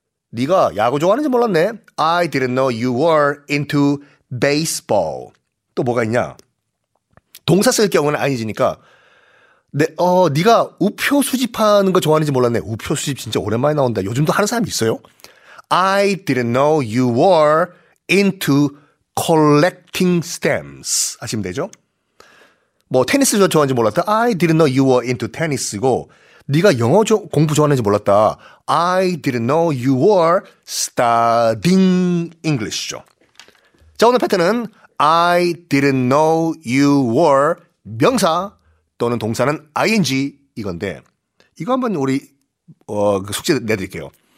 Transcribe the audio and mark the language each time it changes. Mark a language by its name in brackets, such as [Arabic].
[Korean] 네가 야구 좋아하는지 몰랐네. [English] I didn't know you were into baseball. [Korean] 또 뭐가 있냐? 동사 쓸 경우는 아니지니까 네가 우표 수집하는 거 좋아하는지 몰랐네. 우표 수집 진짜 오랜만에 나온다. 요즘도 하는 사람이 있어요? [English] I didn't know you were into collecting stamps. [Korean] 아시면 되죠? 뭐 테니스 좋아하는지 몰랐다. [English] I didn't know you were into tennis고 [Korean] 네가 영어 공부 좋아하는지 몰랐다. [English] I didn't know you were studying English죠. [Korean] 자, 오늘 패턴은 [English] I didn't know you were [Korean] 명사 또는 동사는 ing 이건데 이거 한번 우리 숙제 내드릴게요.